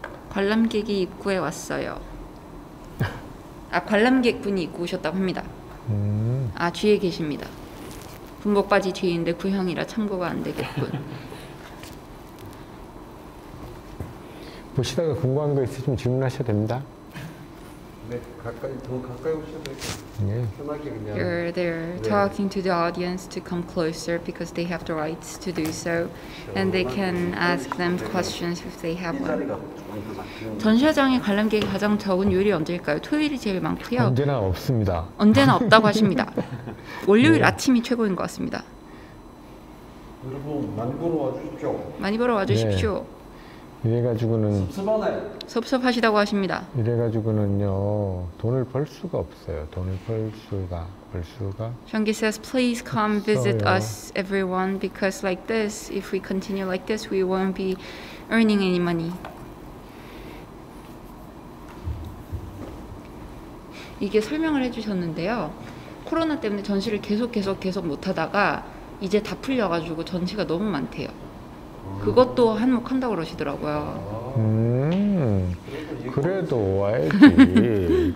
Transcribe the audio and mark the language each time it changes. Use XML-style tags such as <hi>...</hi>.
<ko>관람객이 입구에 왔어요. 아, 관람객분이 입구 오셨다고 합니다. 아, 뒤에 계십니다. 군복바지 뒤에 있는데 구형이라 참고가 안 되겠군. 보시다가 궁금한 거 있으시면 질문하셔도 됩니다. 네, 가까이 더 가까이 오셔도 돼요. 네. 편하게 그냥.</ko> <en>You're there,</en> <ko>네.</ko> <en>talking to the audience to come closer because they have the rights to do so, and they can ask them questions if they have one.</en> <ko>전시회장에 관람객이 가장 적은 요일이 언제일까요? 토요일이 제일 많고요. 언제나 없습니다. 언제나 없다고 하십니다. 월요일 네. 아침이 최고인 것 같습니다. 여러분 많이 보러 와주십시오. 많이 보러 와주십시오. 네. 이래가지고는 섭섭하시다고 하십니다. 이래가지고는요 돈을 벌 수가 없어요. 돈을 벌 수가.</ko> <en>정기 says please come visit us everyone because like this, if we continue like this, we won't be earning any money.</en> <ko>이게 설명을 해주셨는데요. 코로나 때문에 전시를 계속 못하다가 이제 다 풀려가지고 전시가 너무 많대요. 그것도 한몫한다고 그러시더라고요. 그래도 와야지.</ko>